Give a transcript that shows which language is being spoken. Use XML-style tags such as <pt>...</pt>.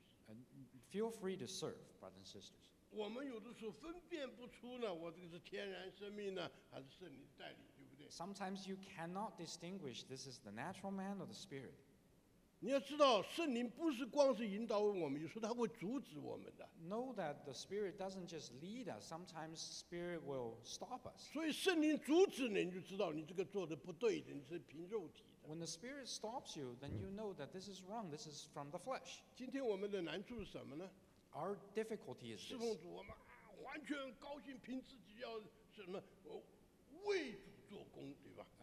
<en>And feel free to serve, brothers and sisters.</en> <zh>我们有的时候分辨不出呢，我这个是天然生命呢，还是圣灵带领，对不对</zh> <en>？Sometimes you cannot distinguish this is the natural man or the spirit.</en> <zh>你要知道，圣灵不是光是引导我们，有时候他会阻止我们的。</zh> <en>Know that the Spirit doesn't just lead us. Sometimes Spirit will stop us.</en> <zh>所以圣灵阻止你，你就知道你这个做的不对的，你是凭肉体的。</zh> <en>When the Spirit stops you, then you know that this is wrong. This is from the flesh.</en> <zh>今天我们的难处是什么呢</zh> <en>？Our difficulty is this.</en> <zh>侍奉主，我们完全高兴，凭自己要什么，为主做工，对吧</zh>